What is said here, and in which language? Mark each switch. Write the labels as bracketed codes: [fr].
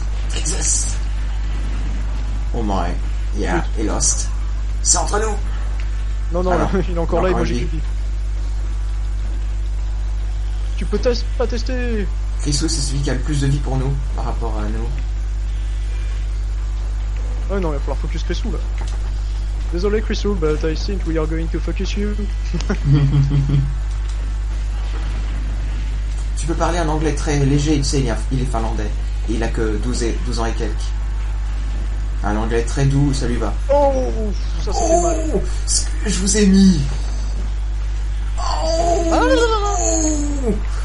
[en] Texas. Oh my. [fr] Yeah, il est lost. C'est entre nous. Non, non, alors, il est encore là, il m'a jeté. Tu peux pas tester. Chrisou, c'est celui qui a le plus de vie pour nous par rapport à nous. Ouais, non, il va falloir focus Chrisou là. Désolé Chrisou, [en] but I think we are going to focus you. [fr] Tu peux parler un anglais très léger, tu sais, il est finlandais. Et il a que 12 ans et quelques. Un anglais très doux, ça lui va. Oh, ça c'est oh, mal. Ce que je vous ai mis. Oh. Ah, non, non, non.